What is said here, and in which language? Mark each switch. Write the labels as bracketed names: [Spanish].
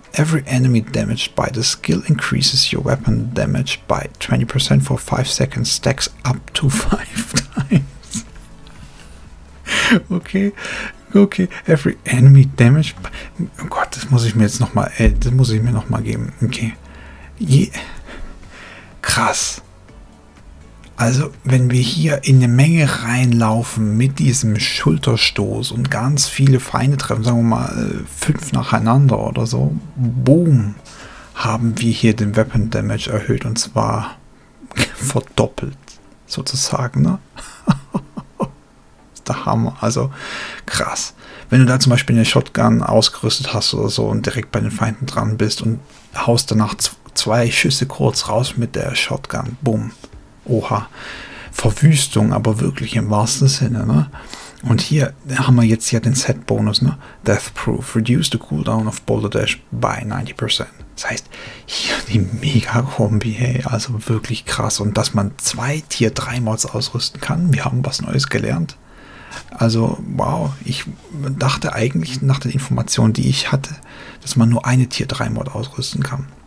[English] Every enemy damaged by the skill increases your weapon damage by 20% for 5 seconds, stacks up to 5 times. Okay, every enemy damaged by... [German] Oh Gott, das muss ich mir nochmal geben. Okay. Yeah. Krass. Also, wenn wir hier in eine Menge reinlaufen mit diesem Schulterstoß und ganz viele Feinde treffen, sagen wir mal 5 nacheinander oder so, boom, haben wir hier den Weapon Damage erhöht und zwar verdoppelt, sozusagen, ne? Ist der Hammer, also krass. Wenn du da zum Beispiel eine Shotgun ausgerüstet hast oder so und direkt bei den Feinden dran bist und haust danach zwei Schüsse kurz raus mit der Shotgun, boom. Oha, Verwüstung, aber wirklich im wahrsten Sinne. Ne? Und hier haben wir jetzt ja den Set-Bonus. Ne? [English] Deathproof, reduce the cooldown of Boulder Dash by 90%. [German] Das heißt, hier die Mega-Kombi, hey, also wirklich krass. Und dass man zwei Tier 3 Mods ausrüsten kann, wir haben was Neues gelernt. Also, wow, ich dachte eigentlich nach den Informationen, die ich hatte, dass man nur eine Tier 3 Mod ausrüsten kann.